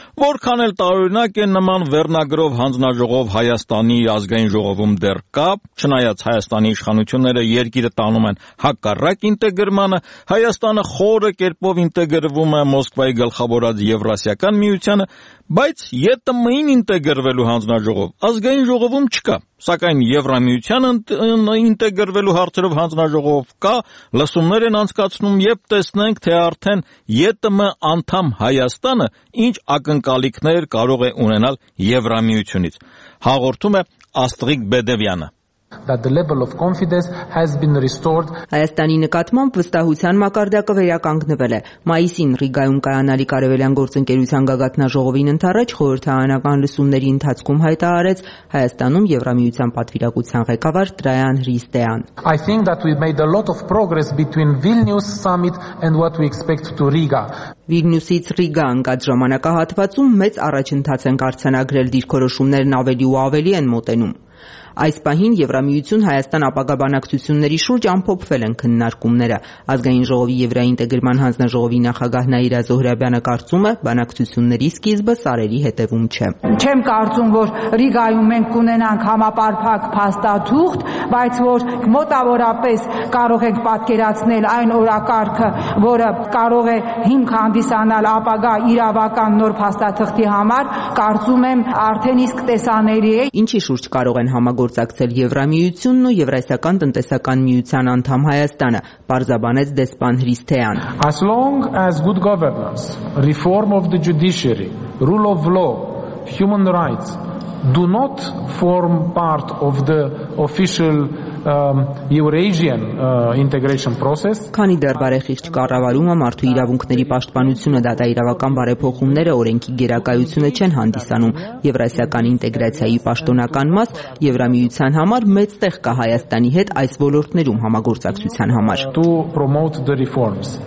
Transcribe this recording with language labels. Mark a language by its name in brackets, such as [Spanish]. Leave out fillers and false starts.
[Armenian] որքան էլ տարօրինակ է նման վերնագրով հանձնաժողով Հայաստանի ազգային ժողովում դեռ կա, չնայած Հայաստանի իշխանությունները երկիրը տանում են հակառակ ինտեգրմանը, Հայաստանը խորը կերպով ինտեգրվում է Մոսկվայի գլխավորած Եվրասիական միությանը, բայց ԵՏՄ-ին ինտեգրվելու հանձնաժողով ազգային ժողովում չկա, սակայն Եվրամիության ինտեգրվելու հարցերով հանձնաժողով կա, լսումներ են անցկացնում, եւ տեսնենք, թե արդեն ԵՏՄ անդամ Հայաստանը ինչ ակնկալիքներ կարող է ունենալ Եվրամիությունից, հաղորդում է Աստղիկ Բեդևյանը. [English] That the level of confidence has been restored. [Armenian] Հայաստանի նկատմամբ վստահության մակարդակը վերականգնվել է։ Մայիսին Ռիգայում կայանալի Կարևելյան գործընկերության գագաթնաժողովին ընդառաջ խորհրդարանական լսումների ընթացքում հայտարարեց Հայաստանում Եվրամիության պատվիրակության ղեկավար Տրայան Հրիստեան. [English] I think that we've made a lot of progress between Vilnius summit and what we expect to Riga. [Armenian] Վիլնյուսից Ռիգա անցած ժամանակահատվածում մեծ առաջընթաց են կարցանագրել, դիրքորոշումներն ավելի ու ավելի են մոտենում։ Այս պահին Եվրամիություն Հայաստան ապագաբանակցությունների շուրջ ամփոփվել են քննարկումները։ Ազգային ժողովի Եվրաինտեգրման հանձնաժողովի նախագահ Նաիրա Զոհրաբյանը կարծում է, բանակցությունների սկիզբը սարերի հետևում չէ։ Չեմ կարծում, որ Ռիգայում մենք կունենանք համապարփակ փաստաթուղթ, բայց որ մոտավորապես կարող ենք պատկերացնել այն օրակարգը, որը կարող է հիմք հանդիսանալ ապագա իրավական նոր փաստաթղթի համար, կարծում եմ արդեն իսկ տեսանելի է։ Ինչի շուրջ կարող են համագործակցել Եվրամիությունն ու Եվրասիական տնտեսական միության անդամ Հայաստանը, պարզաբանեց դեսպան Հրիստեան. [English] As long as good governance, reform of the judiciary, rule of law, human rights do not form part of the official Eurasian integration process. [Armenian] Քանի դեռ բարեխիղճ կառավարումը մարդու իրավունքների պաշտպանությունը դատաիրավական բարեփոխումները օրենքի գերակայությունը չեն հանդիսանում, Եվրասիական ինտեգրացիայի պաշտոնական մաս Եվրամիության համար մեծ տեղ կա Հայաստանի հետ այս ոլորտներում համագործակցության համար. [English] To promote the reforms.